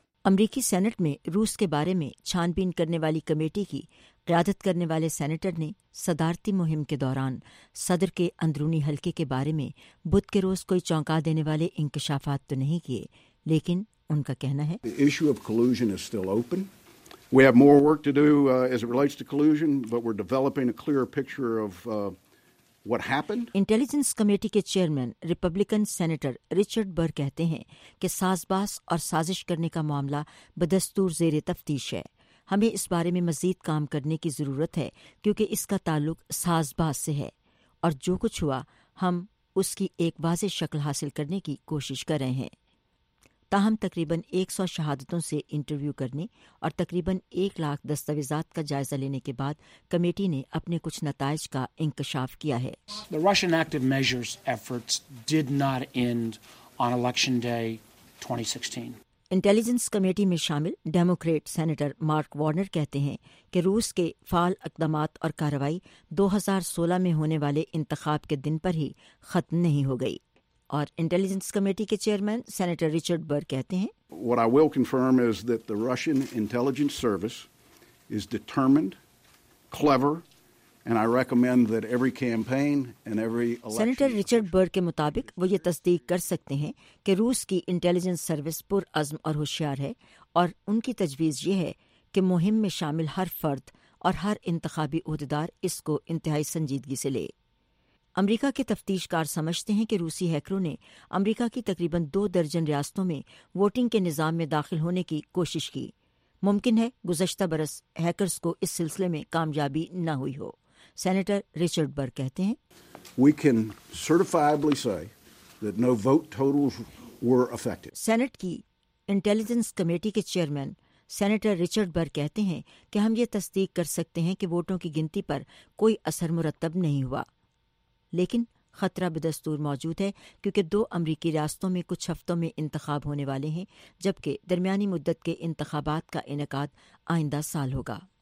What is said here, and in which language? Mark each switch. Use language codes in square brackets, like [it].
[ur] امریکی سینٹ میں روس کے بارے میں چھان بین کرنے والی کمیٹی کی قیادت کرنے والے سینیٹر نے صدارتی مہم کے دوران صدر کے اندرونی حلقے کے بارے میں بدھ کے روز کوئی چونکا دینے والے انکشافات تو نہیں کیے، لیکن ان کا کہنا ہے [en] The issue of collusion is still open. We have more work to do as it relates to collusion, but we're developing a clear picture of what happened. [ur] Intelligence committee کے چیئرمین ریپبلکن سینیٹر رچرڈ بر کہتے ہیں کہ ساز باز اور سازش کرنے کا معاملہ بدستور زیر تفتیش ہے۔ ہمیں اس بارے میں مزید کام کرنے کی ضرورت ہے کیونکہ اس کا تعلق ساز باز سے ہے، اور جو کچھ ہوا ہم اس کی ایک واضح شکل حاصل کرنے کی کوشش کر رہے ہیں۔ تاہم تقریباً 100 شہادتوں سے انٹرویو کرنے اور تقریباً 100,000 دستاویزات کا جائزہ لینے کے بعد کمیٹی نے اپنے کچھ نتائج کا انکشاف کیا ہے۔ [en] The Russian active measures efforts did not end on election day 2016. [ur] Intelligence committee میں شامل ڈیموکریٹ سینیٹر مارک وارنر کہتے ہیں کہ روس کے فعال اقدامات اور کارروائی 2016 میں ہونے والے انتخاب کے دن پر ہی ختم نہیں ہو گئی، اور انٹیلیجنس کمیٹی کے چیئرمین سینیٹر رچرڈ بر کہتے ہیں [en] What I will confirm is that the Russian intelligence service is determined, clever, and I recommend that every campaign and every election [ur] senator Richard بر کے مطابق وہ یہ تصدیق کر سکتے ہیں کہ روس کی انٹیلیجنس سروس پر عزم اور ہوشیار ہے، اور ان کی تجویز یہ ہے کہ مہم میں شامل ہر فرد اور ہر انتخابی عہدیدار اس کو انتہائی سنجیدگی سے لے۔ امریکہ کے تفتیش کار سمجھتے ہیں کہ روسی ہیکروں نے امریکہ کی تقریباً 2 درجن ریاستوں میں ووٹنگ کے نظام میں داخل ہونے کی کوشش کی۔ ممکن ہے گزشتہ برس ہیکرز کو اس سلسلے میں کامیابی نہ ہوئی ہو۔ سینیٹر رچرڈ بر کہتے ہیں [en] We can certifiably say that no vote totals were affected. [ur] Saint کی انٹیلیجنس کمیٹی کے چیئرمین سینیٹر رچرڈ بر کہتے ہیں کہ ہم یہ تصدیق کر سکتے ہیں کہ ووٹوں کی گنتی پر کوئی اثر مرتب نہیں ہوا، لیکن خطرہ بدستور موجود ہے کیونکہ 2 امریکی ریاستوں میں کچھ ہفتوں میں انتخاب ہونے والے ہیں، جبکہ درمیانی مدت کے انتخابات کا انعقاد آئندہ سال ہوگا۔